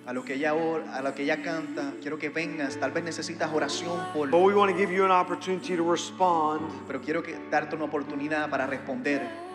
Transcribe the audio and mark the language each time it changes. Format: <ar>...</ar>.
<es>A lo que ella ora, a lo que ella canta, quiero que vengas. Tal vez necesitas oración por.</es> <en>But we want to give you an opportunity to respond.</en> <es>Pero quiero que darte una oportunidad para responder.</es>